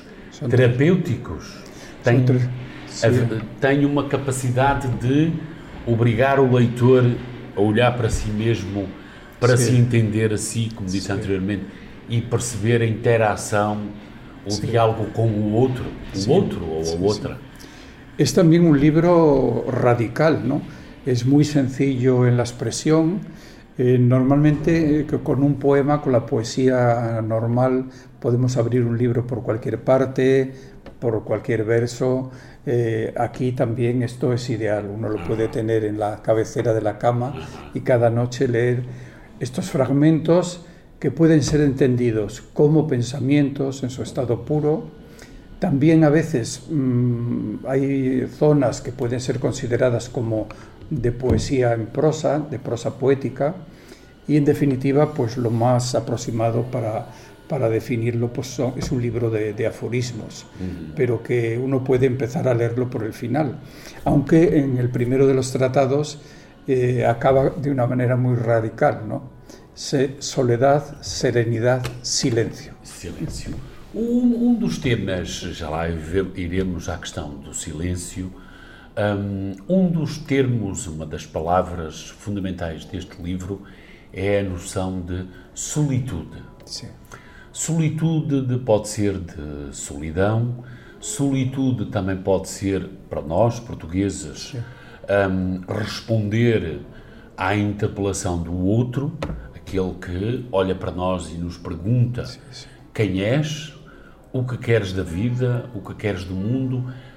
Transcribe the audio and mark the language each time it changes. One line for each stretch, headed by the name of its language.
Spanish: Son tres
Portuguese: livros terapêuticos. Tem uma capacidade de obrigar o leitor a olhar para si mesmo, para se entender a si, como disse anteriormente, e perceber a interação, o diálogo com o outro, o outro ou a outra. É também um livro radical, não? É muito
Spanish: sencillo en la expresión. Normalmente, con un poema, con la poesía normal, podemos abrir un libro por cualquier parte, por cualquier verso. Aquí también esto es ideal. Uno lo puede tener en la cabecera de la cama y cada noche leer estos fragmentos que pueden ser entendidos como pensamientos en su estado puro. También a veces hay zonas que pueden ser consideradas como de poesía en prosa, de prosa poética, y en definitiva, pues lo más aproximado para definirlo, pues es un libro de aforismos, pero que uno puede empezar a leerlo por el final. Aunque en el primero de los tratados acaba de una manera muy radical, ¿no? Soledad, serenidad, silencio. Silencio.
Portuguese: Um dos temas, já lá iremos à questão do silêncio, um dos termos, uma das palavras fundamentais deste livro é a noção de solitude. Sim. Solitude pode ser de solidão, solitude também pode ser, para nós, portugueses, responder à interpelação do outro, aquele que olha para nós e nos pergunta quem és, o que queres da vida, o que queres do mundo.